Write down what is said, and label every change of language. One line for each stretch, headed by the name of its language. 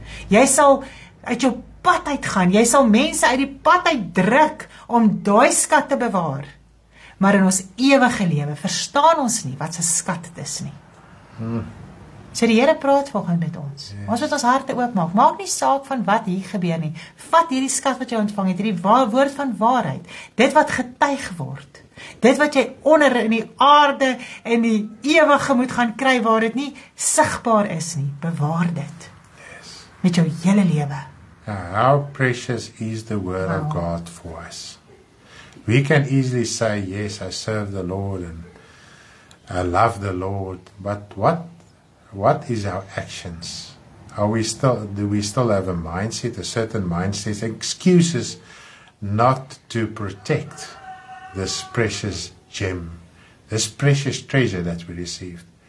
Afrikaans: Jy sal uit jou pad uitgaan. Jy sal mense uit die pad uitdruk om daai skat te bewaar. Maar in ons ewige lewe verstaan ons nie wat 'n skat dit is nie. So die Here praat volgens met ons.
English: Yes.
Afrikaans: Ons moet ons harte oopmaak. Maak nie saak van wat hier gebeur nie. Vat hierdie skat wat jy ontvang het, hierdie woord van waarheid. Dit wat getuig word. Dit wat jy onder in die aarde en die ewige moet gaan kry waar dit nie sigbaar is nie. Bewaar dit.
English: Yes.
Afrikaans: Met jou hele lewe.
English: How precious is the word of God for us. We can easily say, yes, I serve the Lord and I love the Lord, but what is our actions? Do we still have a mindset, a certain mindset, excuses not to protect this precious gem, this precious treasure that we received?